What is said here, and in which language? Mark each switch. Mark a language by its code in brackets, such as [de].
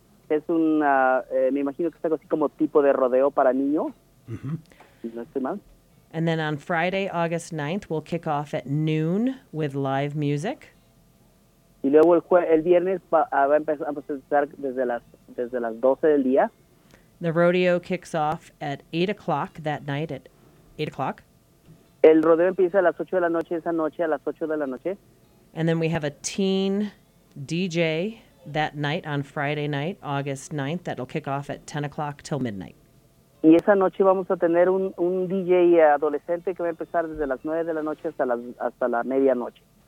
[es] Es un, me imagino que es algo así como tipo de rodeo para niños. Mm-hmm. No estoy mal. [en] And then on Friday, August 9th, we'll kick off at noon with live music. [es] Y luego el viernes va a empezar desde las 12 del día. [en] The rodeo kicks off at 8 o'clock that night at 8 o'clock. [es] El rodeo empieza a las 8 de la noche esa noche, a las 8 de la noche. [en] And then we have a teen DJ that night on Friday night, August 9th, that'll kick off at 10 o'clock till midnight. [es] Y esa noche vamos a tener un DJ adolescente que va a empezar desde las 9 de la noche hasta la medianoche.